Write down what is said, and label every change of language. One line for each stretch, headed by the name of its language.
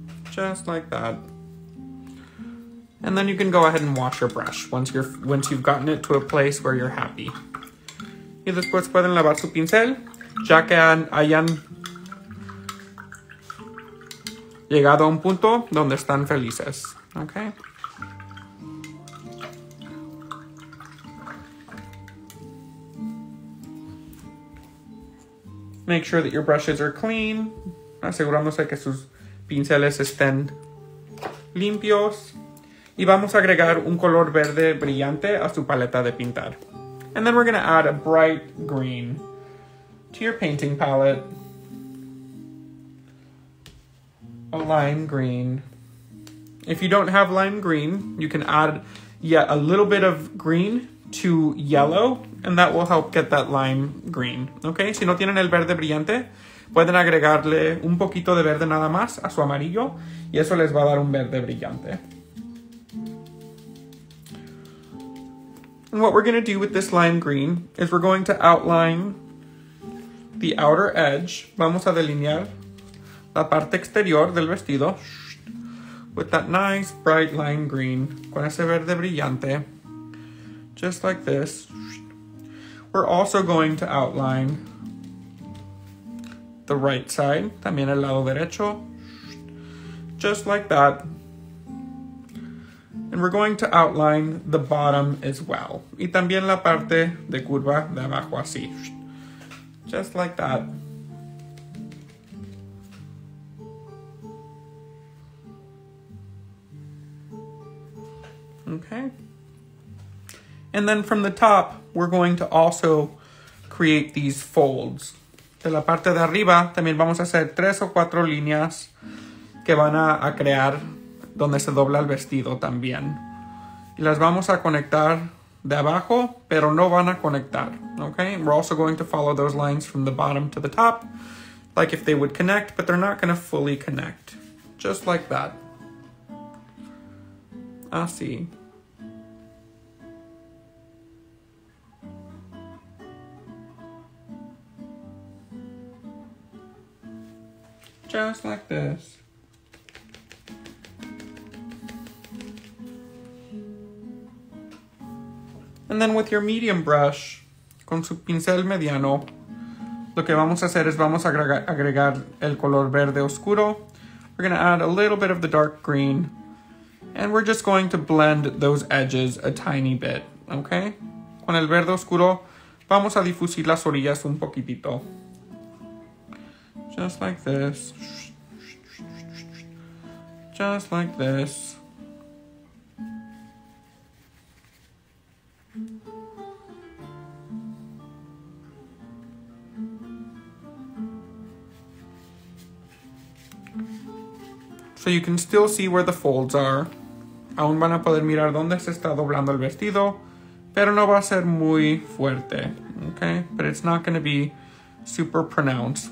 English: Just like that. And then you can go ahead and wash your brush once you've gotten it to a place where you're happy.
Spanish: Y después pueden lavar su pincel, ya que hayan llegado a un punto donde están felices.
English: Okay. Make sure that your brushes are clean.
Spanish: Asegurándose que sus pinceles estén limpios. Y vamos a agregar un color verde brillante a su paleta de pintar.
English: And then we're going to add a bright green to your painting palette. A lime green. If you don't have lime green, you can add yet a little bit of green to yellow, and that will help get that lime green.
Spanish: Okay, si no tienen el verde brillante, pueden agregarle un poquito de verde nada más a su amarillo, y eso les va a dar un verde brillante.
English: And what we're going to do with this lime green is we're going to outline the outer edge.
Spanish: Vamos a delinear la parte exterior del vestido
English: with that nice bright lime green,
Spanish: con ese verde brillante,
English: just like this. We're also going to outline the right side,
Spanish: también el lado derecho,
English: just like that. And we're going to outline the bottom as well.
Spanish: Y también la parte de curva de abajo, así.
English: Just like that. Okay. And then from the top, we're going to also create these folds.
Spanish: De la parte de arriba, también vamos a hacer tres o cuatro líneas que van a crear donde se dobla el vestido también. Y las vamos a conectar de abajo, pero no van a conectar.
English: Okay? We're also going to follow those lines from the bottom to the top, like if they would connect, but they're not going to fully connect. Just like that.
Spanish: Así.
English: Just like this. And then with your medium brush,
Spanish: con su pincel mediano, lo que vamos a hacer es vamos a agregar el color verde oscuro.
English: We're going to add a little bit of the dark green. And we're just going to blend those edges a tiny bit, okay?
Spanish: Con el verde oscuro, vamos a difusir las orillas un poquitito.
English: Just like this. Just like this. So you can still see where the folds are.
Spanish: Aún van a poder mirar dónde se está doblando el vestido. Pero no va a ser muy fuerte. Okay?
English: But it's not going to be super pronounced.